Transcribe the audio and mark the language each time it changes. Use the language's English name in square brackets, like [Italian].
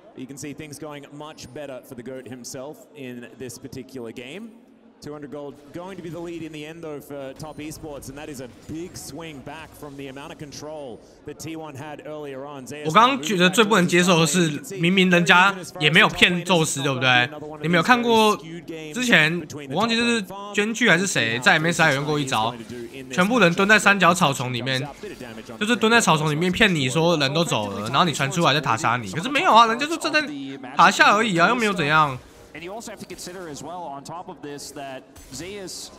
[English] You can see things going much better for the GOAT himself in this particular game. 200 gold going to be the lead in the end though for Top Esports, and that is a big swing back from the amount of control that T1 had earlier on. [Chinese] 我刚刚觉得最不能接受的是，明明人家也没有骗宙斯，对不对？你没有看过之前，我忘记是捐具还是谁在 MSI 用过一招，全部人蹲在三角草丛里面，就是蹲在草丛里面骗你说人都走了，然后你传出来再塔杀你。可是没有啊，人家就站在塔下而已啊，又没有怎样。 [English] And you also have to consider as well on top of this that Zeus.